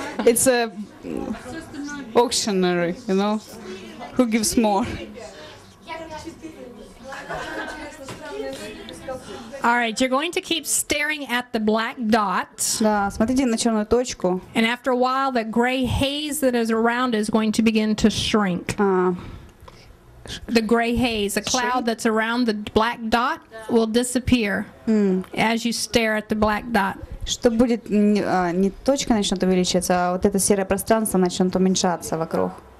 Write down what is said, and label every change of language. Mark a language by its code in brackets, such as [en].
[en] It's a auctionary, you know? Who gives more? All right, you're going to keep staring at the black dot. [ru] Да, смотрите на черную точку. [en] And after a while, the gray haze that is around is going to begin to shrink. The gray haze, a cloud that's around the black dot, will disappear as you stare at the black dot. [ru] Что будет, не точка начнет увеличиваться, а вот это серое пространство начнет уменьшаться вокруг.